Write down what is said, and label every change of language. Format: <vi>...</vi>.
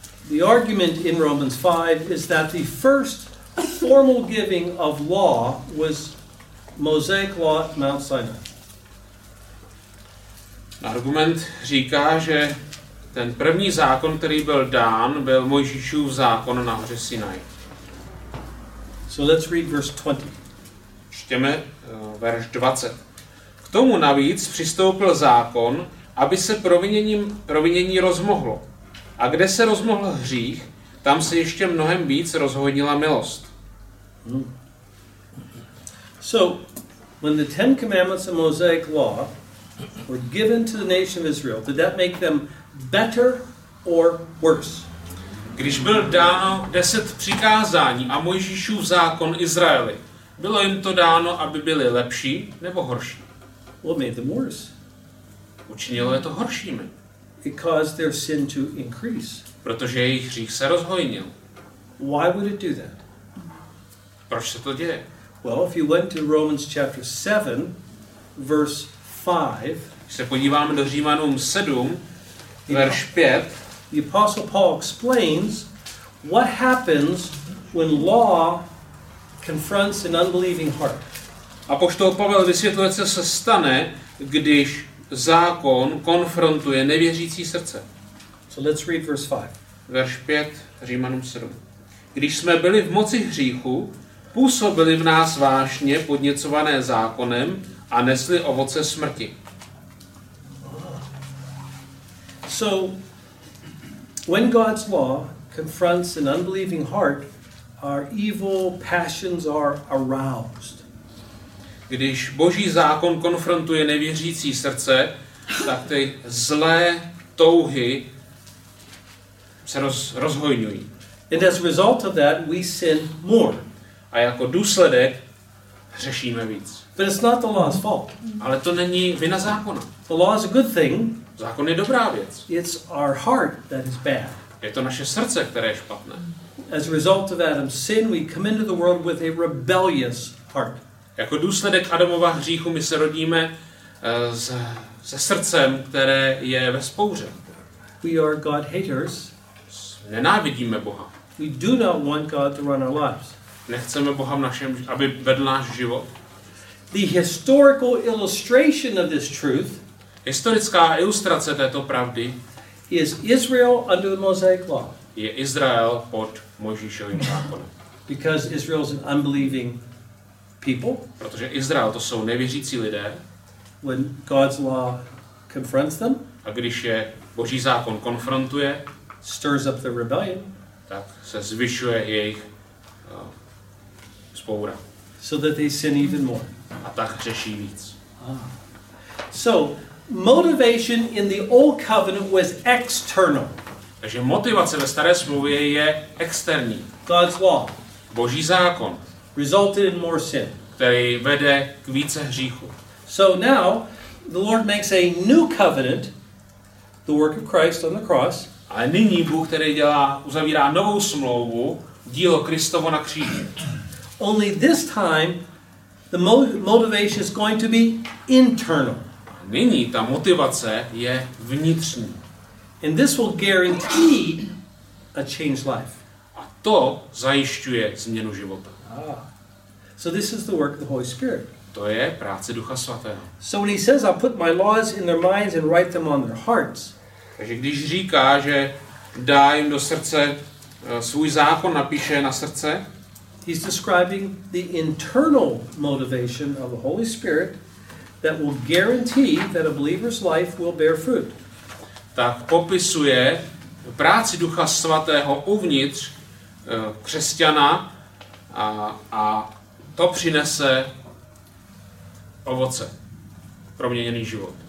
<en>The argument in Romans 5 is that the first formal giving of law was Mosaic law at Mount Sinai.</en> <cs>Argument říká, že ten první zákon, který byl dán, byl Mojžíšův zákon na hoře Sinai.</cs> <en>So let's read verse 20.</en> <cs>Čtěme verš 20. K tomu navíc přistoupil zákon, aby se provinění rozmohlo. A kde se rozmohl hřích, tam se ještě mnohem víc rozhojnila milost.</cs> <en>So, when the Ten Commandments and Mosaic Law were given to the nation of Israel, did that make them better or worse?</en> <cs>Když byl dáno 10 přikázání a Mojžíšův zákon Izraeli, bylo jim to dáno, aby byli lepší nebo horší?</cs> <en>What made them worse?</en> <cs>Učinilo je to horšími.</cs> <en>It caused their sin to increase.</en> <cs>Protože jejich hřích se rozhojnil.</cs> <en>Why would it do that?</en> <cs>Proč se to děje?</cs> <en>Well, if you went to Romans chapter 7, verse 5,</en> <cs>když se podíváme do Římanům 7, verš 5,</cs> <en>the Apostle Paul explains what happens when law confronts an unbelieving heart.</en> <cs>Apoštol Pavel vysvětluje, co se stane, když zákon konfrontuje nevěřící srdce.</cs> <en>So let's read verse 5.</en> <cs>Verš 5, Římanům 7. Když jsme byli v moci hříchu, působili v nás vášně podněcované zákonem a nesli ovoce smrti.</cs> <en>So, when God's law confronts an unbelieving heart, our evil passions are aroused.</en> <cs>Když Boží zákon konfrontuje nevěřící srdce, tak ty zlé touhy se rozhojňují.</cs> <en>And as a result of that, we sin more.</en> <cs>A jako důsledek hřešíme víc.</cs> <en>But it's not the law's fault.</en> <cs>Ale to není vina zákona.</cs> <en>The law is a good thing.</en> <cs>Zákon je dobrá věc.</cs> <en>It's our heart that is bad.</en> <cs>Je to naše srdce, které je špatné.</cs> <en>As a result of Adam's sin, we come into the world with a rebellious heart.</en> <cs>Jako důsledek Adamova hříchu my se rodíme se srdcem, které je ve spouře.</cs> <en>We are God haters.</en> <cs>Nenávidíme Boha.</cs> <en>We do not want God to run our lives.</en> <cs>Nechceme Boha v našem, aby vedl náš život.</cs> <en>The historical illustration of this truth.</en> <cs>Historická ilustrace této pravdy.</cs> <en>Is Israel under the Mosaic law?</en> <cs>Je Izrael pod Mojžíšovým zákonem.</cs> <en>Because Israel is an unbelieving people.</en> <cs>Protože Izrael to jsou nevěřící lidé.</cs> <en>When God's law confronts them.</en> <cs>A když je Boží zákon konfrontuje.</cs> <en>Stirs up the rebellion.</en> <cs>Tak se zvyšuje jejich spoura.</cs> <en>So that they sin even more.</en> <cs>A tak hřeší víc.</cs> <en>So motivation in the old covenant was external.</en> <cs>Takže motivace ve staré smlouvě je externí.</cs> <en>God's law.</en> <cs>Boží zákon.</cs> <en>Resulted in more sin.</en> <cs>Který vede k více hříchu.</cs> <en>So now the Lord makes a new covenant, the work of Christ on the cross.</en> <cs>A nyní Bůh tedy dělá, uzavírá novou smlouvu, dílo Kristovo na kříži.</cs> <en>Only this time the motivation is going to be internal.</en> <cs>Nyní ta motivace je vnitřní.</cs> <en>And this will guarantee a changed life.</en> <cs>A to zajišťuje změnu života.</cs> <en>So this is the work of the Holy Spirit.</en> <cs>To je práce Ducha Svatého.</cs> <en>So when he says, I'll put my laws in their minds and write them on their hearts.</en> <cs>Takže když říká, že dá jim do srdce svůj zákon, napíše na srdce,</cs> <en>he's describing the internal motivation of the Holy Spirit that will guarantee that a believer's life will bear fruit.</en> <cs>Tak popisuje práci Ducha Svatého uvnitř křesťana a to přinese ovoce, proměněný život.</cs>